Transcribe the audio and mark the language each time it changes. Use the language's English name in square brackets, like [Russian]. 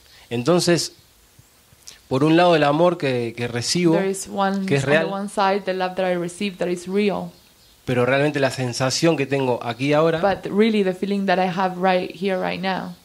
[Spanish] Entonces, por un lado el amor que recibo, [English] there is one, [Spanish] que es real, [English] on one side the love that I receive that is real. [Spanish] Pero realmente la sensación que tengo aquí ahora [English] but really the feeling that I have right here right now